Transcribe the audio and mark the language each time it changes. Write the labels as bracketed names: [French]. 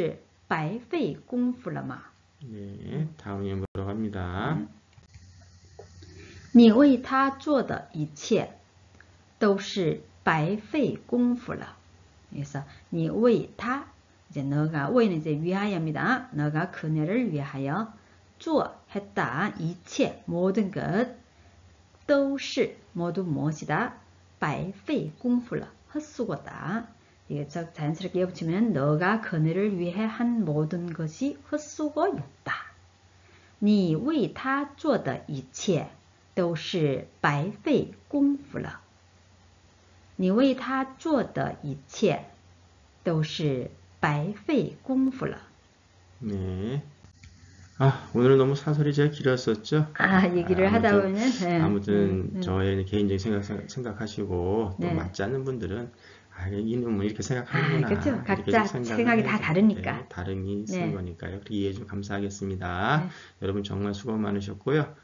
[Chinese] 你怎么不早说？我这不是白费功夫了吗？你怎么不早说？我这不是白费功夫了吗？ [Korean] 네. 다음 예문으로 갑니다. [Chinese] 你为他做的一切都是白费功夫了。你为他 [Korean] 이제 너가 为는 이제 위하여입니다. 너가 그녀를 위하여 做했다 이切 모든 것 [Chinese] 都是 [Korean] 모두 무엇이다 [Chinese] 白费功夫了 [Korean] 헛수고다. 이게 즉 자연스럽게 엮으면 너가 그녀를 위해 한 모든 것이 헛수고였다. [Chinese] 你为他做的一切 都是白费功夫了。你为他做的一切都是白费功夫了。 [Korean] 네. 오늘은 너무 사설이 제일 길었었죠? 얘기를 하다 보면 아무튼 저의 개인적인 생각하시고 또 네. 맞지 않는 분들은 이놈은 이렇게 생각하는구나. 그렇죠. 각자 생각이 다 다르니까. 네, 다름이 있을 거니까요. 그렇게 이해해 주셔서 감사하겠습니다. 여러분 정말 수고 많으셨고요.